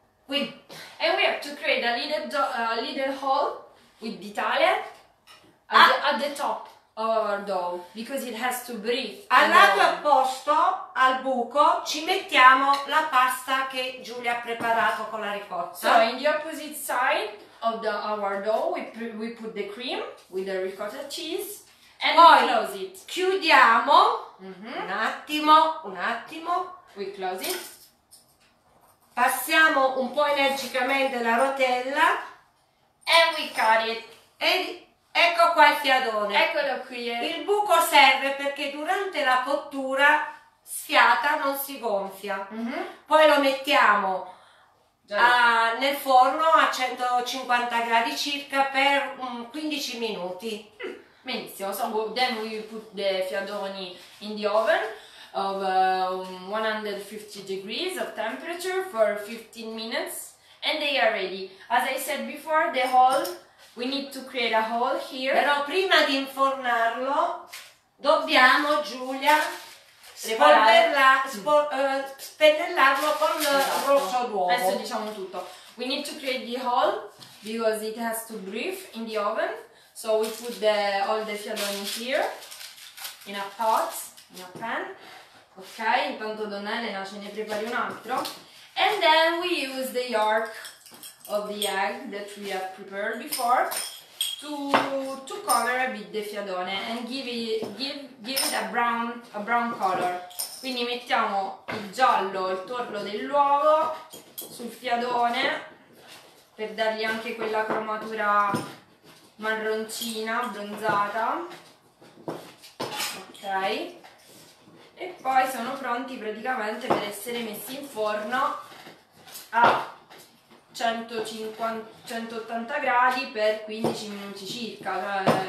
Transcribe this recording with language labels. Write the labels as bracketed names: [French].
[English] And we have to create a little hole with ditale at the top of our dough because it has to breathe. [Italian] Al lato opposto al buco ci mettiamo la pasta che Giulia ha preparato con la ricotta. [English] So in the opposite side of our dough we put the cream with the ricotta cheese and [Italian] poi [English] we close it. [Italian] Chiudiamo. Mm-hmm. Un attimo. [English] We close it. [Italian] Passiamo un po' energicamente la rotella [English] e we cut it. [Italian] E ecco qua il fiadone. Eccolo qui. Il buco serve perché durante la cottura sfiata, non si gonfia. Poi lo mettiamo nel forno a 150 gradi circa per 15 minuti. Benissimo, [English] so then we put the fiadoni in the oven of 150 degrees of temperature for 15 minutes and they are ready. As I said before, the hole, we need to create a hole here. [Italian] Però prima di infornarlo dobbiamo, Giulia, spennellarlo con il rosso d'uovo. Adesso diciamo tutto. [English] We need to create the hole because it has to breathe in the oven. So we put the, all the fiadoni here in a pot, in a pan. Ok, [Italian] intanto donna Elena ce ne prepari un altro. [English] And then we use the yolk of the egg that we have prepared before to cover a bit the fiadone and give it a brown color. [Italian] Quindi mettiamo il giallo, il torlo dell'uovo sul fiadone per dargli anche quella cromatura marroncina, abbronzata. Ok. E poi sono pronti praticamente per essere messi in forno a 180 gradi per 15 minuti circa.